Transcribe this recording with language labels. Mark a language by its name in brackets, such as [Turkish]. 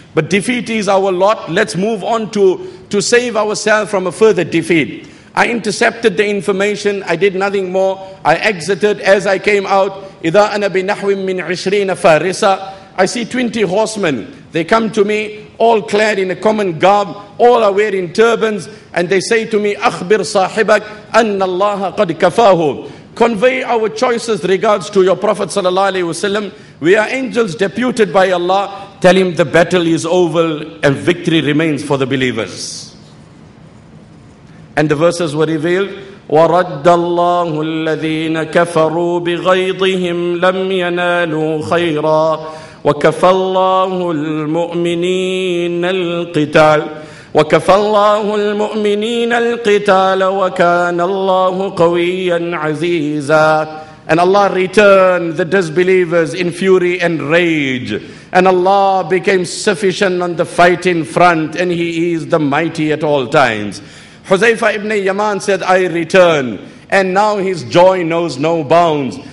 [English] But defeat is our lot. Let's move on to save ourselves from a further defeat. I intercepted the information. I did nothing more. I exited as I came out. [Arabic] إِذَا أَنَا بِنَحْوٍ مِّنْ عِشْرِينَ فَارِسًا. [English] I see 20 horsemen. They come to me, all clad in a common garb. All are wearing turbans. And they say to me, [Arabic] أَخْبِرْ صَاحِبَكْ أَنَّ اللَّهَ قَدْ كَفَاهُ. [English] Convey our choices regards to your Prophet sallallahu alaihi wasallam. We are angels deputed by Allah. Tell him the battle is over and victory remains for the believers. And the verses were revealed. [Arabic] وَرَدَّ اللَّهُ الَّذِينَ كَفَرُوا بِغَيْضِهِمْ لَمْ يَنَالُوا خَيْرًا. وكفى الله المؤمنين القتال وكفى الله المؤمنين القتال وكان الله قويا عزيزا. [English] And Allah returned the disbelievers in fury and rage. And Allah became sufficient on the fighting front, and He is the mighty at all times. Huzaifa ibn Yaman said, I return. And now his joy knows no bounds.